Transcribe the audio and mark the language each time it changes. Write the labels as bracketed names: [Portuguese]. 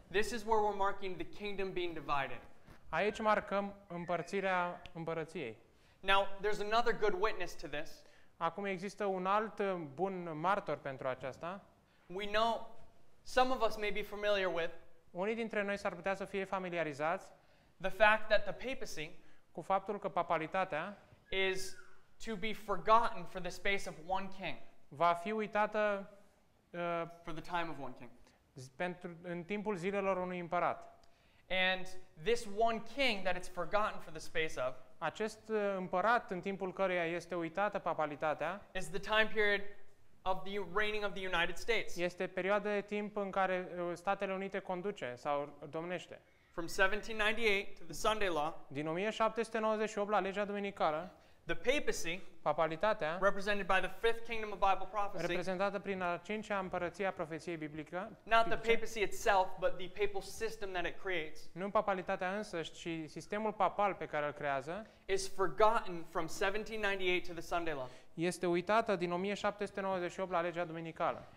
[English] this is where we're marking the kingdom being divided. [Romanian] Aici marcăm împărțirea împărăției. [English] Now, there's another good witness to this. [Romanian] Acum există un alt bun martor pentru aceasta. [English] We know some of us may be familiar with. [Romanian] Unii dintre noi s-ar putea să fie familiarizați. [English] The fact that the papacy, [Romanian] cu faptul că papalitatea, [English] is to be forgotten for the space of one king. [Romanian] Va fi uitată [English] for the time of one king. [Romanian] Pentru în timpul zilelor unui împărat. [English] And this one king that it's forgotten for the space of, [Romanian] acest împărat în timpul căruia este uitată papalitatea, [English] is the time period of the reigning of the United States. [Romanian] Este perioada de timp în care Statele Unite conduce sau domnește. [English] From 1798 to the Sunday law. [Romanian] Din 1798 la legea duminicală. [English] The papacy, [Romanian] papalitatea, [English] represented by the fifth kingdom of Bible prophecy, [Romanian] reprezentată prin a cincea împărăție a profeției biblice, [English] not the papacy itself, but the papal system that it creates, [Romanian] nu papalitatea însăși, ci sistemul papal pe care îl creează, [English] is forgotten from 1798 to the Sunday law. [Romanian] Este uitată din 1798 la legea duminicală.